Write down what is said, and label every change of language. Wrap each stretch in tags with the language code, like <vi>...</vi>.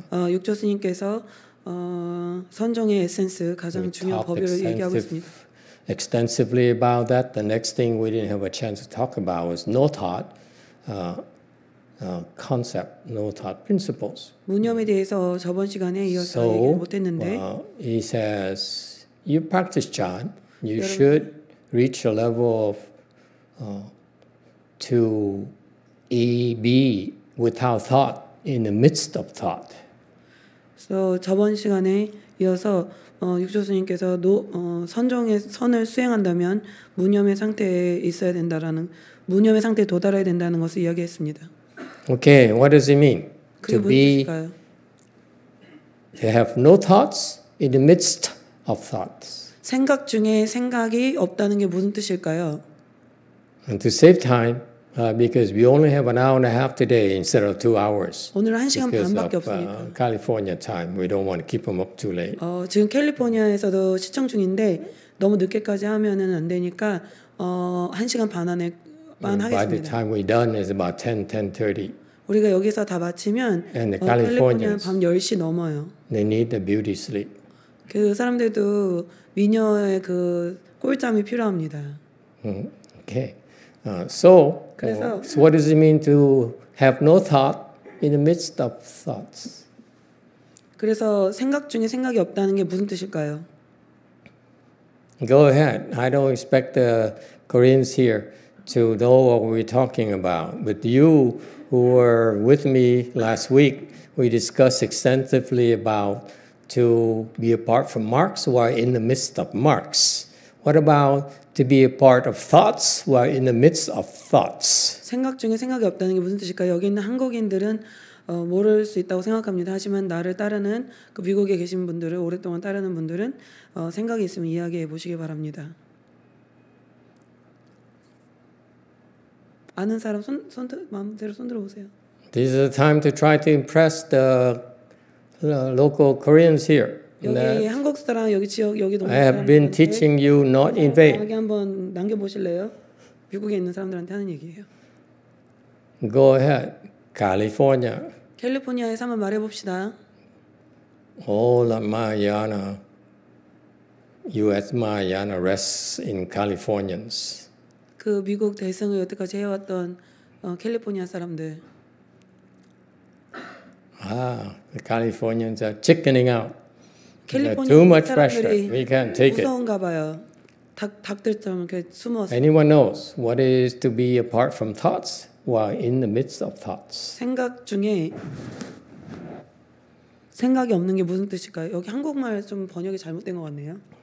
<ko>육조 스님께서 선정의 에센스 가장 중요한 법을 얘기하고 있습니다.</ko> <en>Extensively about that. The next thing we didn't have a chance to talk about was no thought concept, no thought principles.</en> <ko>무념에 대해서 저번 시간에 이어서</ko> <en>so,</en> <ko>얘기를 못했는데.</ko> <en>He says, you practice chan, you should reach a level of to be without thought in the midst of thought.</en> <ko>So, 저번 시간에 이어서 육조 스님께서 선정의 선을 수행한다면 무념의 상태에 있어야 된다라는 무념의 상태에 도달해야 된다는 것을 이야기했습니다.</ko> <en>Okay, what does it mean? To be, to have no thoughts in the midst of thoughts.</en> <ko>생각 중에 생각이 없다는 게 무슨 뜻일까요?</ko> <en>And to save time, because we only have an hour and a half today instead of 2 hours.</en> <ko>오늘 한 시간 반밖에 없으니까.</ko> <en>California time, we don't want to keep them up too late.</en> <ko>지금 캘리포니아에서도 시청 중인데 너무 늦게까지 하면은 안 되니까 한 시간 반 안에 하겠습니다.</ko> <en>By the time we're done, it's about 10:30.</en> <ko>우리가 여기서 다 마치면 캘리포니아 밤 10시 넘어요.</ko> <en>They need the beauty sleep.</en> <ko>그 사람들도 미녀의 그 꿀잠이 필요합니다.</ko> <en>Okay. So what does it mean to have no thought in the midst of thoughts?</en> <ko>그래서 생각 중에 생각이 없다는 게 무슨 뜻일까요?</ko> <en>Go ahead. I don't expect the Koreans here to know what we're talking about. But you who were with me last week, we discussed extensively about to be apart from Marx while in the midst of Marx. What about to be a part of thoughts while in the midst of thoughts?</en> <ko>생각 중에 생각이 없다는 게 무슨 뜻일까요? 여기 있는 한국인들은 모를 수 있다고 생각합니다. 하지만 나를 따르는 그 미국에 계신 분들을 오랫동안 따르는 분들은 생각이 있으면 이야기해 보시기 바랍니다. 아는 사람 손 마음대로 손 들어보세요.</ko> <en>This is the time to try to impress the local Koreans here.</en> <ko>여기 한국 사람 여기 지역 여기 동네</ko> <en>사람들. I have been teaching you not in vain.</en> <ko>여기 한번 남겨 보실래요? 미국에 있는 사람들한테 하는 얘기예요.</ko> <en>Go ahead, California.</en> <ko>캘리포니아에서 한번 말해 봅시다.</ko> <en>All of Mahayana, U.S. Mahayana rests in Californians.</en> <ko>그 미국 대승을 여태까지 해왔던 캘리포니아 사람들.</ko> <en>The Californians are chickening out. Too much pressure. We can't take it.</en> <ko>무서운가 봐요. 닭들처럼 이렇게 숨어서.</ko> <en>Anyone knows what is to be apart from thoughts while in the midst of thoughts?</en> <ko>생각 중에 생각이 없는 게 무슨 뜻일까요? 여기 한국말 좀 번역이 잘못된 것 같네요.</ko>